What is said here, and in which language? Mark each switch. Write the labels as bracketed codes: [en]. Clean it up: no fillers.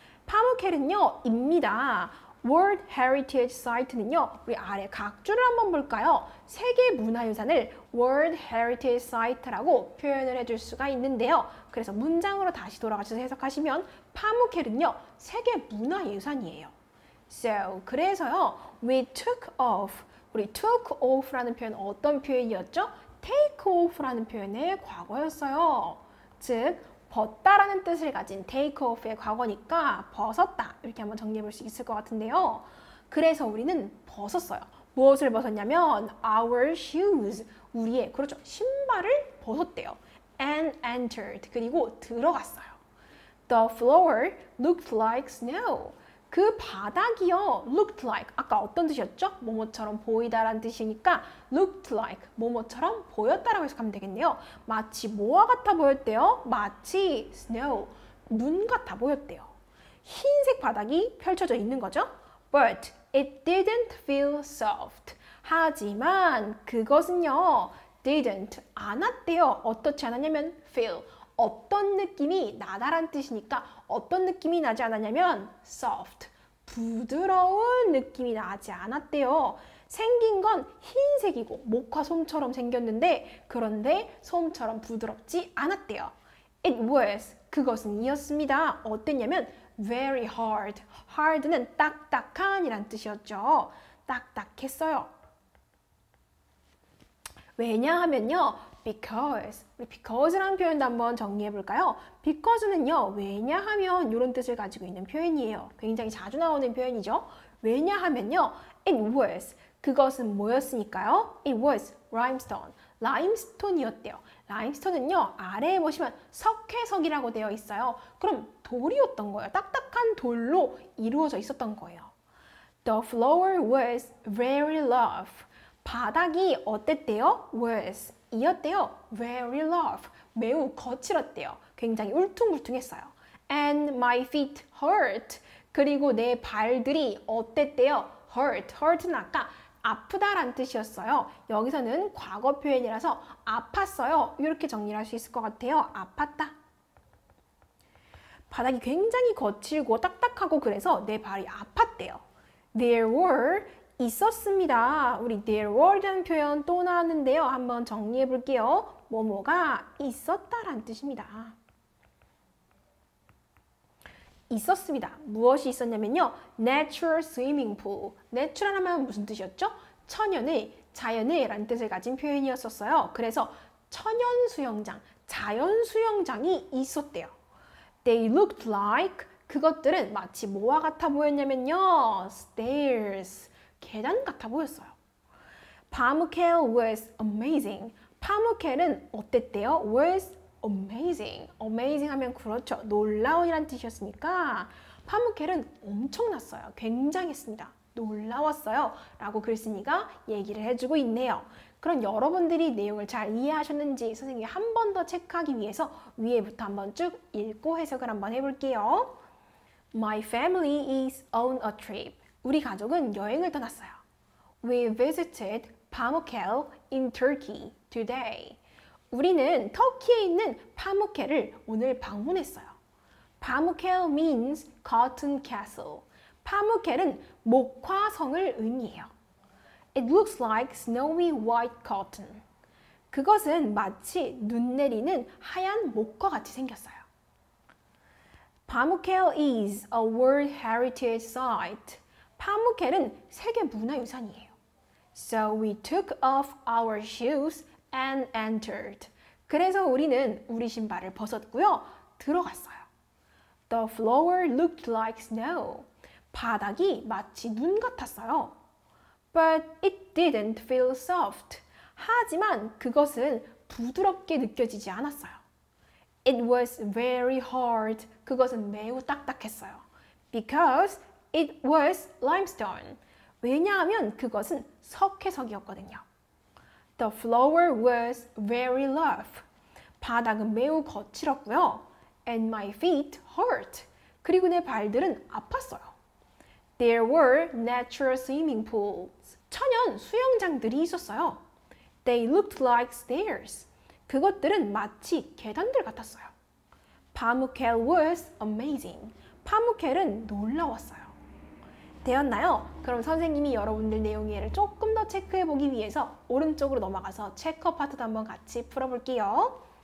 [ko] Pamukkale는요, 입니다. World Heritage Site는요, 우리 아래 각주를 한번 볼까요? 세계문화유산을 World Heritage Site라고 표현을 해줄 수가 있는데요. 그래서 문장으로 다시 돌아가셔서 해석하시면 Pamukkale는요, 세계문화유산이에요. [en] So, [ko] 그래서요, [en] we took off. [ko] 우리 took off라는 표현 어떤 표현이었죠? take off라는 표현의 과거였어요. 즉, 벗다라는 뜻을 가진 take off의 과거니까 벗었다 이렇게 한번 정리해 볼 수 있을 것 같은데요. 그래서 우리는 벗었어요. 무엇을 벗었냐면 [en] our shoes, [ko] 우리의 그렇죠 신발을 벗었대요. [en] and entered, [ko] 그리고 들어갔어요. [en] the floor looked like snow. [ko] 그 바닥이요, looked like, 아까 어떤 뜻이었죠? 뭐뭐처럼 보이다라는 뜻이니까 looked like, 뭐뭐처럼 보였다라고 해석하면 되겠네요. 마치 뭐와 같아 보였대요? 마치 snow, 눈 같아 보였대요. 흰색 바닥이 펼쳐져 있는 거죠? [en] But it didn't feel soft. [ko] 하지만 그것은요, didn't, 안았대요. 어떻지 않았냐면 feel, 어떤 느낌이 나다란 뜻이니까 어떤 느낌이 나지 않았냐면 soft, 부드러운 느낌이 나지 않았대요. 생긴 건 흰색이고 목화 솜처럼 생겼는데 그런데 솜처럼 부드럽지 않았대요. [en] It was, [ko] 그것은 이었습니다. 어땠냐면 [en] very hard. [ko] hard는 딱딱한이란 뜻이었죠. 딱딱했어요. 왜냐하면요. Because, because라는 표현도 한번 정리해 볼까요? Because는요, 왜냐하면 이런 뜻을 가지고 있는 표현이에요. 굉장히 자주 나오는 표현이죠. 왜냐하면요, [en] it was, [ko] 그것은 뭐였으니까요? [en] It was limestone, [ko] 라임스톤이었대요. 라임스톤은요, 아래에 보시면 석회석이라고 되어 있어요. 그럼 돌이었던 거예요. 딱딱한 돌로 이루어져 있었던 거예요. [en] The floor was very rough. [ko] 바닥이 어땠대요? Was. 이었대요. [en] Very rough. [ko] 매우 거칠었대요. 굉장히 울퉁불퉁했어요. [en] And my feet hurt. [ko] 그리고 내 발들이 어땠대요? [en] Hurt. [ko] Hurt는 아까 아프다란 뜻이었어요. 여기서는 과거 표현이라서 아팠어요. 이렇게 정리를 할 수 있을 것 같아요. 아팠다. 바닥이 굉장히 거칠고 딱딱하고 그래서 내 발이 아팠대요. [en] There were 있었습니다. [ko] 우리 there were라는 표현 또 나왔는데요. 한번 정리해 볼게요. 뭐뭐가 있었다라는 뜻입니다. 있었습니다. 무엇이 있었냐면요. [en] natural swimming pool. [ko] natural 하면 무슨 뜻이었죠? 천연의, 자연의 라는 뜻을 가진 표현이었었어요. 그래서 천연 수영장, 자연 수영장이 있었대요. [en] they looked like [ko] 그것들은 마치 뭐와 같아 보였냐면요. [en] stairs. [ko] 계단 같아 보였어요. [en] Pamukkale was amazing. [ko] Pamukkale은 어땠대요? [en] Was amazing. [ko] Amazing 하면 그렇죠. 놀라운이란 뜻이었으니까 Pamukkale은 엄청났어요. 굉장했습니다. 놀라웠어요. 라고 글쓴이가 얘기를 해주고 있네요. 그럼 여러분들이 내용을 잘 이해하셨는지 선생님이 한 번 더 체크하기 위해서 위에부터 한번 쭉 읽고 해석을 한번 해볼게요. [en] My family is on a trip. [ko] 우리 가족은 여행을 떠났어요. [en] We visited Pamukkale in Turkey today. [ko] 우리는 터키에 있는 파무케를 오늘 방문했어요. [en] Pamukkale means cotton castle. [ko] 파무케는 목화성을 의미해요. [en] It looks like snowy white cotton. [ko] 그것은 마치 눈 내리는 하얀 목화 같이 생겼어요. [en] Pamukkale is a World Heritage Site. [ko] 파무켈은 세계문화유산이에요. [en] So we took off our shoes and entered. [ko] 그래서 우리는 우리 신발을 벗었고요. 들어갔어요. [en] The floor looked like snow. [ko] 바닥이 마치 눈 같았어요. [en] But it didn't feel soft. [ko] 하지만 그것은 부드럽게 느껴지지 않았어요. [en] It was very hard. [ko] 그것은 매우 딱딱했어요. [en] Because It was limestone. [ko] 왜냐하면 그것은 석회석이었거든요. [en] The floor was very rough. [ko] 바닥은 매우 거칠었고요. [en] And my feet hurt. [ko] 그리고 내 발들은 아팠어요. [en] There were natural swimming pools. [ko] 천연 수영장들이 있었어요. [en] They looked like stairs. [ko] 그것들은 마치 계단들 같았어요. [en] Pamukkale was amazing. [ko] 파묵회는 놀라웠어요. 되었나요? 그럼 선생님이 여러분들 내용 이해를 조금 더 체크해 보기 위해서 오른쪽으로 넘어가서 체크 파트도 한번 같이 풀어볼게요.